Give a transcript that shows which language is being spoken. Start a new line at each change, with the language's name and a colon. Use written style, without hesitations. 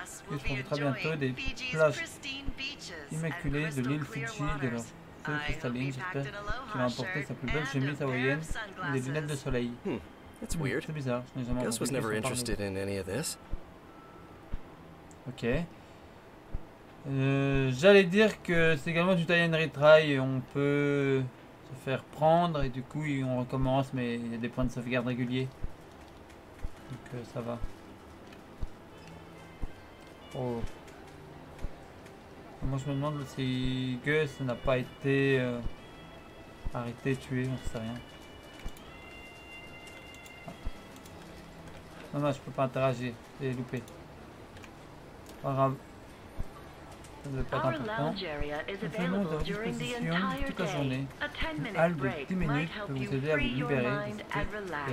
French: Il profitera bientôt des plages immaculées de l'île Fidji de leur feu cristalline. J'espère qu'il va emporter sa plus belle chemise hawaïenne et des lunettes de soleil.
English: That's weird.
French: C'est bizarre, je n'ai jamais
English: Gus was never interested in any of this.
French: Ok. J'allais dire que c'est également du tie and retry. On peut se faire prendre et du coup on recommence, mais il y a des points de sauvegarde réguliers. Donc ça va. Oh. Moi je me demande si Gus n'a pas été arrêté, tué, j'en sais rien. Non, non, je peux pas interagir, j'ai loupé.
English: Our lounge area is available during the entire day. A 10-minute break might help you free your mind and relax.